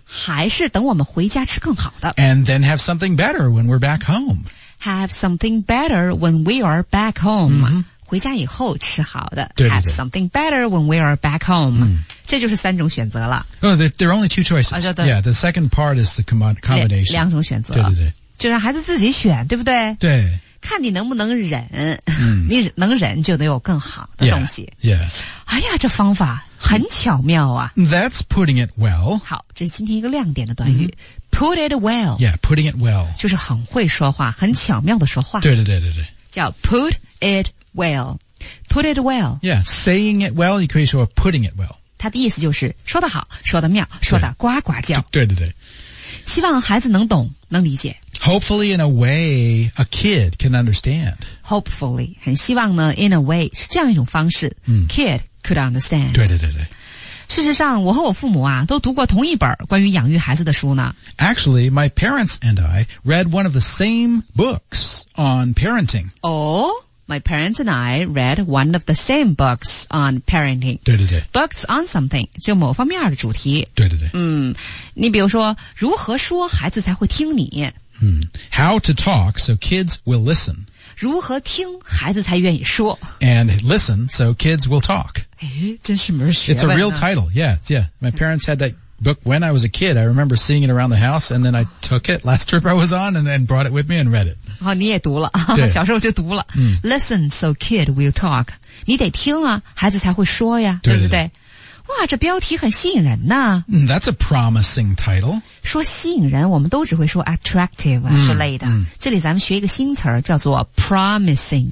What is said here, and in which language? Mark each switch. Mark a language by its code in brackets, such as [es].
[zh] 还是等我们回家吃更好的。 [en] And then have something better when we're back home. Have something better when we are back home.、 Mm-hmm. [zh] 回家以后吃好的。对对对 [en] have something better when we are back home.、 Mm. [zh] 这就是三种选择了。 [en] Oh, there are only two choices.、啊、 yeah, the second part is the combination. [zh] 两种选择。对对对。就让孩子自己选，对不对？对。看你能不能忍、嗯、你能忍就得有更好的东西 [en] yeah, yeah. [zh] 哎呀这方法很巧妙啊 [en] That's putting it well [zh] 好这是今天一个亮点的短语、mm-hmm. [en] Put it well Yeah, putting it well [zh] 就是很会说话很巧妙的说话对对对对对 [en] 叫 put it well Put it well Yeah, saying it well [zh] 你可以说 [en] putting it well [zh] 它的意思就是说得好说得妙说得呱呱叫对对对希望孩子能懂能理解 [en] Hopefully in a way a kid can understand [zh] Hopefully 很希望呢 in a way 是这样一种方式、嗯、 [en] Kid could understand. [zh] 对对对对。事实上我和我父母啊都读过同一本关于养育孩子的书呢。 [en] Actually, my parents and I read one of the same books on parenting. Oh, my parents and I read one of the same books on parenting. [zh] 对对对。 [en] Books on something, [zh] 就某方面的主题。对对对。嗯，你比如说如何说孩子才会听你。 [en] 嗯 ,how to talk so kids will listen. [zh] 如何听孩子才愿意说。 [en] And listen so kids will talk. [zh] 哎，真是门学问。 [en] It's a real title. Yeah, yeah. My parents had that book when I was a kid. I remember seeing it around the house, and then I took it last trip I was on, and then brought it with me and read it. [zh] 哦，你也读了，小时候就读了。嗯、 [en] Listen, so kid will talk. [zh] 你得听啊，孩子才会说呀，对不对, 对？哇，这标题很吸引人呐。 [en] Mm, that's a promising title. [zh] 说吸引人，我们都只会说 attractive 之类的。嗯、这里咱们学一个新词叫做 promising.